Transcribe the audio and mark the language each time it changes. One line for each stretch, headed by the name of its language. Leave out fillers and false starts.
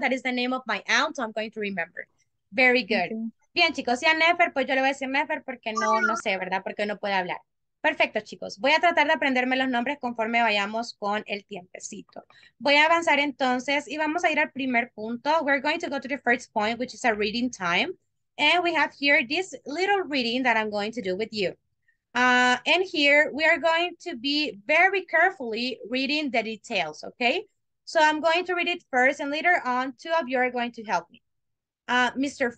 English: That is the name of my aunt, so I'm going to remember. Very good. Okay.
Spanish: Bien, chicos, si a Nefer, pues yo le voy a decir Nefer porque no sé, ¿verdad? Porque no puede hablar. Perfecto, chicos. Voy a tratar de aprenderme los nombres conforme vayamos con el tiempecito. Voy a avanzar entonces y vamos a ir al primer punto.
English: We're going to go to the first point, which is a reading time. And we have here this little reading that I'm going to do with you. And here we are going to be very carefully reading the details, okay? So I'm going to read it first and later on, two of you are going to help me. Mr.